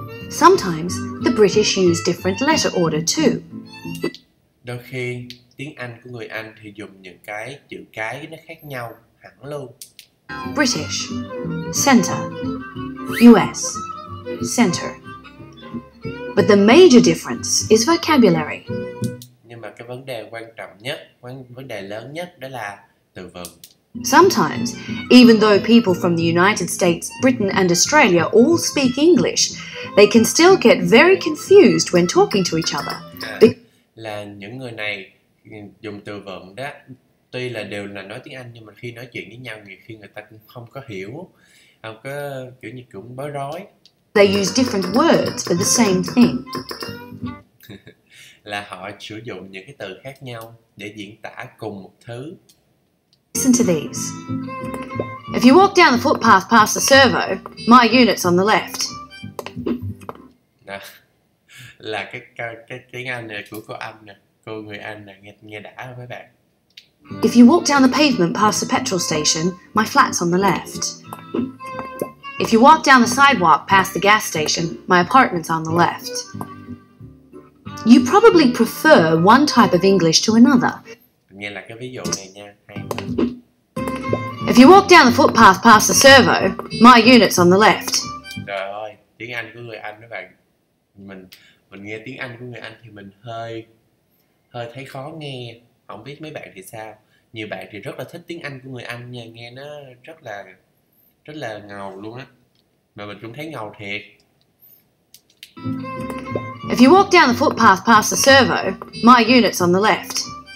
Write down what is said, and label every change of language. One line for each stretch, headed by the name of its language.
English: Sometimes the British use different letter order too.
Vietnamese: Đôi khi tiếng Anh của người Anh thì dùng những cái chữ cái nó khác nhau hẳn luôn.
English: British, center. US, center. But the major difference is vocabulary.
Vietnamese: Nhưng mà cái vấn đề quan trọng nhất, vấn đề lớn nhất đó là từ vựng.
English: Sometimes, even though people from the United States, Britain and Australia all speak English, they can still get very confused when talking to each other.
Vietnamese: Là những người này dùng từ vựng đó, tuy là đều là nói tiếng Anh nhưng mà khi nói chuyện với nhau nhiều khi người ta cũng không có hiểu, không có kiểu như cũng bối rối.
English: They use different words for the same thing.
Vietnamese: Là họ sử dụng những cái từ khác nhau để diễn tả cùng một thứ.
English: Listen to these. If you walk down the footpath past the servo, my unit's on the left.
Vietnamese: Đó. Là cái tiếng Anh này của cô Anh nè, cô người Anh nè, nghe đã không mấy bạn?
English: If you walk down the pavement past the petrol station, my flat's on the left. If you walk down the sidewalk past the gas station, my apartment's on the left. You probably prefer one type of English to another.
Vietnamese: Nghe là cái ví dụ này nha.
English: If you walk down the footpath past the servo, my unit's on the left.
Vietnamese: Trời ơi, tiếng Anh của người Anh các bạn. Mình nghe tiếng Anh của người Anh thì mình hơi thấy khó nghe. Không biết mấy bạn thì sao. Nhiều bạn thì rất là thích tiếng Anh của người Anh nha, nghe nó rất là ngầu luôn á. Mà mình cũng thấy ngầu thiệt.
English: If you walk down the footpath past the servo, my unit's on the left.